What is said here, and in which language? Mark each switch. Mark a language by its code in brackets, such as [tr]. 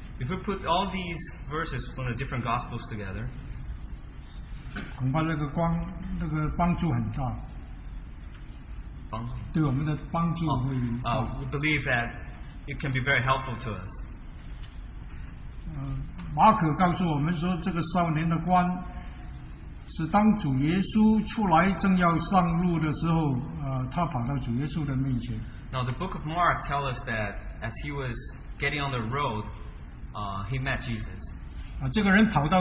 [en] If we put all these verses from the different Gospels together, we believe that it can be very helpful to us. [zh] 马可告诉我们说，这个少年的官是当主耶稣出来正要上路的时候，他跑到主耶稣的面前。 [en] Now the book of Mark tells us that as he was getting on the road, he met Jesus.